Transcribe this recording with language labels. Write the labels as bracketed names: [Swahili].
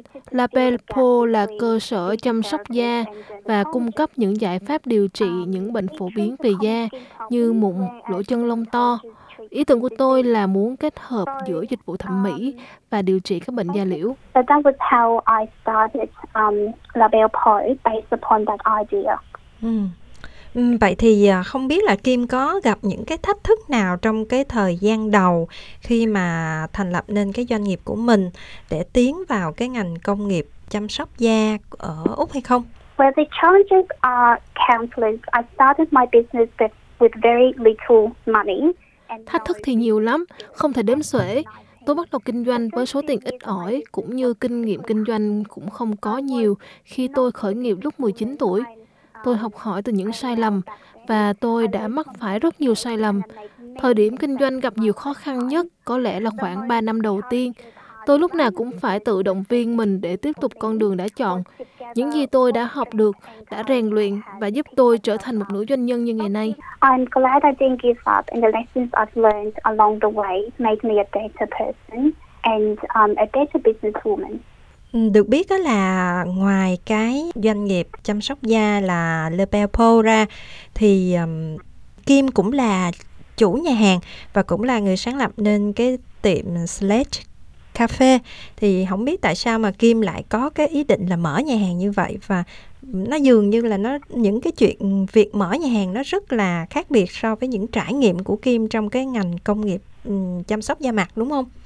[Vietnamese] La Belle Po là cơ sở chăm sóc da và cung cấp những giải pháp điều trị những bệnh phổ biến về da như mụn, lỗ chân lông to. Ý tưởng của tôi là muốn kết hợp giữa dịch vụ thẩm mỹ và điều trị các bệnh da liễu. [English] So that was how I started La Belle Po, based upon that idea. [Vietnamese] Vậy thì không biết là Kim có gặp những cái thách thức nào trong cái thời gian đầu khi mà thành lập nên cái doanh nghiệp của mình để tiến vào cái ngành công nghiệp chăm sóc da ở Úc hay không? [English] Well, the challenges are countless. I started my business with very little money. [Vietnamese] Thách thức thì nhiều lắm, không thể đếm xuể. Tôi bắt đầu kinh doanh với số tiền ít ỏi, cũng như kinh nghiệm kinh doanh cũng không có nhiều khi tôi khởi nghiệp lúc 19 tuổi. Tôi học hỏi từ những sai lầm, và tôi đã mắc phải rất nhiều sai lầm. Thời điểm kinh doanh gặp nhiều khó khăn nhất có lẽ là khoảng 3 năm đầu tiên. Tôi lúc nào cũng phải tự động viên mình để tiếp tục con đường đã chọn. Những gì tôi đã học được, đã rèn luyện và giúp tôi trở thành một nữ doanh nhân như ngày nay. [English] I'm glad I didn't give up and the lessons I've learned along the way made me a better person and a better businesswoman. [Vietnamese] Được biết đó là ngoài cái doanh nghiệp chăm sóc da là Le Pelpo ra thì Kim cũng là chủ nhà hàng và cũng là người sáng lập nên cái tiệm Sledge Cafe. Thì không biết tại sao mà Kim lại có cái ý định là mở nhà hàng như vậy, và nó dường như là nó những cái chuyện việc mở nhà hàng nó rất là khác biệt so với những trải nghiệm của Kim trong cái ngành công nghiệp chăm sóc da mặt, đúng không?